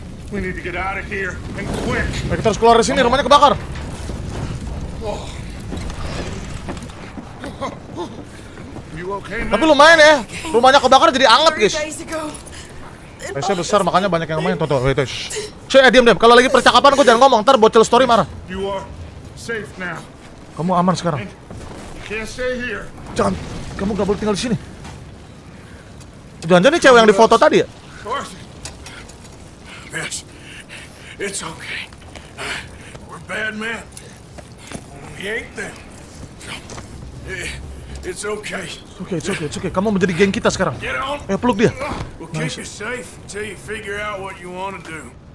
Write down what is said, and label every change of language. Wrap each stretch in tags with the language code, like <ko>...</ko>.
<en>We need to get out of here and quick.</en> <id>Ayo kita harus keluar dari sini, rumahnya kebakar. Oh.</id> <en>You okay,</en> <id>tapi lumayan ya. Rumahnya kebakar jadi anget, guys. Biasanya besar, makanya banyak yang main. Toto, wait, shh. Cuy, diam. Kalau lagi percakapan, gue jangan ngomong. Ntar bocil story marah.</id> <en>You are safe now.</en> <id>Kamu aman sekarang.</id> <en>Can't stay here.</en> <id>Jangan, kamu gak boleh tinggal di sini. Jangan-jangan ini cewek yang difoto tadi ya?</id> <en>Miss, it's okay. We're bad men. We ain't them. It's okay. It's okay.</en> <id>Kamu menjadi geng kita sekarang. Eh, peluk dia.</id> <en>We'll keep you safe until you figure out what you want to do.</en>